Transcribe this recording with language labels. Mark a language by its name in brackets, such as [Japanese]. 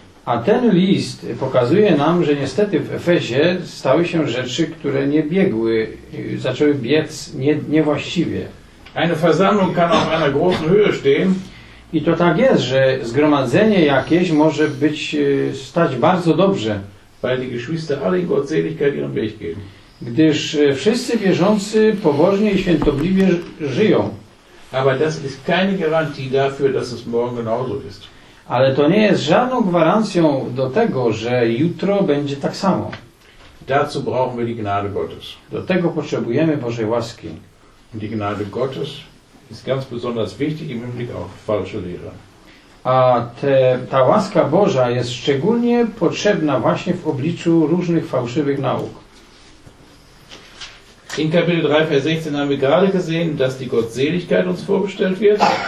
[Polish] A ten list pokazuje nam, że niestety w Efezie stały się rzeczy, które nie biegły, zaczęły biec niewłaściwie. [German] Eine Versammlung kann auf einer großen Höhe stehen. [Polish] I to tak jest, że zgromadzenie jakieś może być stać bardzo dobrze, [German] weil die Geschwister alle in Gottseligkeit ihren Weg gehen. [Polish] Gdyż wszyscy wierzący pobożnie i świętobliwie żyją. [German] Aber das ist keine Garantie dafür, dass es morgen genauso ist. [Polish] Ale to nie jest żadną gwarancją do tego, że jutro będzie tak samo. [German] Dazu brauchen wir die Gnade Gottes. [Polish] Do tego potrzebujemy Bożej łaski. [German] Die Gnade Gottes ist ganz besonders wichtig im Hinblick auf falsche Lehre. [Polish] A ta łaska Boża jest szczególnie potrzebna właśnie w obliczu różnych fałszywych nauk. [German] In Kapitel 3, Vers 16 haben wir gerade gesehen, dass die Gottseligkeit uns vorbestellt wird.